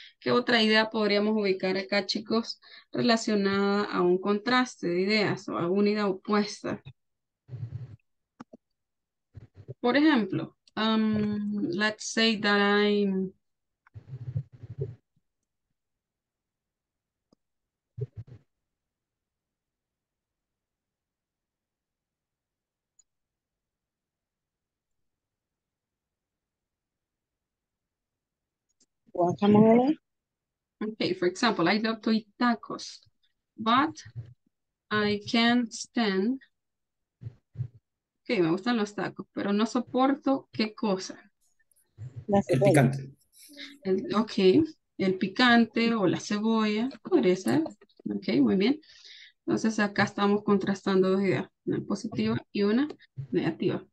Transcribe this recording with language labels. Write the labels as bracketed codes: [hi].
[es] ¿Qué otra idea podríamos ubicar acá, chicos, relacionada a un contraste de ideas o a una idea opuesta? Por ejemplo, [en] let's say that I'm okay, for example, I love to eat tacos, but I can't stand. [es] Okay, me gustan los tacos, pero no soporto qué cosa. El picante. El picante o la cebolla, podría ser. Okay, muy bien. Entonces acá estamos contrastando dos ideas, una positiva y una negativa.